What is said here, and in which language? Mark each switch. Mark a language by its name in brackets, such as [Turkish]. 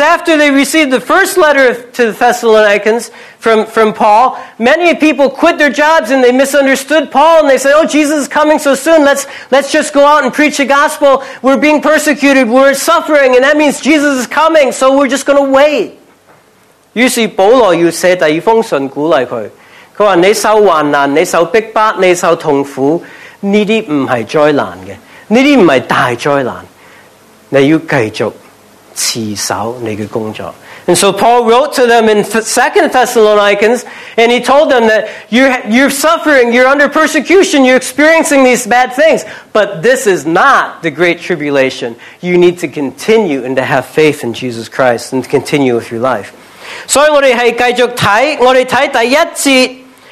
[English] after they received the first letter to the Thessalonians from Paul, many people quit their jobs and they misunderstood Paul and they said, "Oh, Jesus is coming so soon. Let's just go out and preach the gospel. We're being persecuted. We're suffering, and that means Jesus is coming. So we're just going to wait." [Chinese] 于是保罗要写第二封信鼓励佢。他说你受患难，你受逼迫，你受痛苦，这些不是灾难的，这些不是大灾难，你要继续持守你的工作。 [English] And so Paul wrote to them in 2 Thessalonians, and he told them that you're suffering, you're under persecution, you're experiencing these bad things, but this is not the great tribulation. You need to continue and to have faith in Jesus Christ and to continue with your life. [Chinese] 所以我们是继续看第一节。